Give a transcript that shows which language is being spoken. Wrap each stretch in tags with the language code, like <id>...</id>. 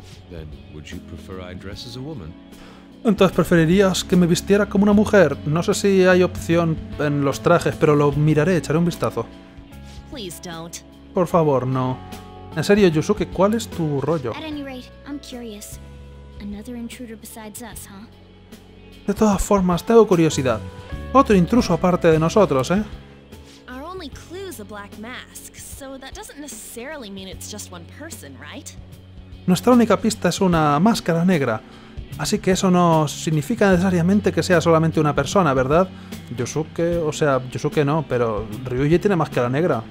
<en>Then, would you prefer I dress as a woman?</en> <es>Entonces preferirías que me vistiera como una mujer. No sé si hay opción en los trajes, pero lo miraré, echaré un vistazo.</es> <en>Please don't.</en> <es>Por favor, no. En serio, Yusuke, ¿cuál es tu rollo?</es> <en>At any rate, I'm curious. Another intruder besides us, huh?</en> <es>De todas formas, tengo curiosidad. Otro intruso aparte de nosotros, ¿eh?</es> <en>Our only clue is a black mask, so that doesn't necessarily mean it's just one person, right?</en> <es>Nuestra única pista es una máscara negra, así que eso no significa necesariamente que sea solamente una persona, ¿verdad? Yusuke, o sea, Yusuke no, pero Ryuji tiene máscara negra.</es>